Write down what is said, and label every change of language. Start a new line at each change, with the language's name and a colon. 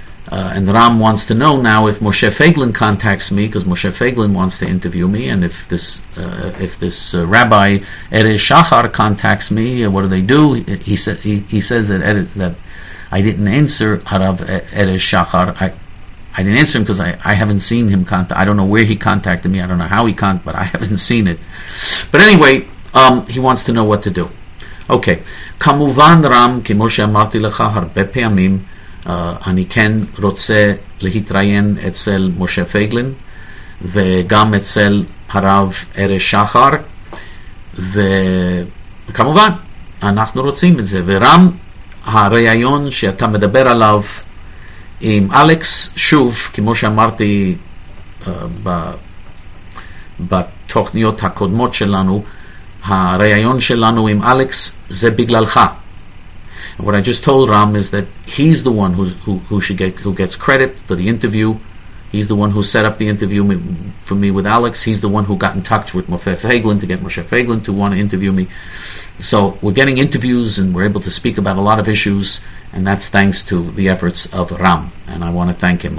English: And Ram wants to know now if Moshe Feiglin contacts me, because Moshe Feiglin wants to interview me, and if this Rabbi Erez Shachar contacts me, what do they do? He says that I didn't answer Harav Erez Shachar. I didn't answer him because I haven't seen him contact. I don't know where he contacted me. I don't know how he contacted, but I haven't seen it. But anyway, he wants to know what to do. Okay.
Hebrew: Kamuvan Ram, kimo she'amarti lecha harbe pe'amim, אני כן רוצה להתראיין אצל משה פייגלין וגם אצל הרב ארז שחר, וכמובן אנחנו רוצים את זה. ורם, הרעיון שאתה מדבר עליו עם אלכס, שוב, כמו שאמרתי בתוכניות הקודמות שלנו, הרעיון שלנו עם אלכס זה בגללך.
English: What I just told Ram is that he's the one who gets credit for the interview. He's the one who set up the interview for me with Alex. He's the one who got in touch with Moshe Feiglin to get Moshe Feiglin to want to interview me. So we're getting interviews and we're able to speak about a lot of issues, and that's thanks to the efforts of Ram. And I want to thank him.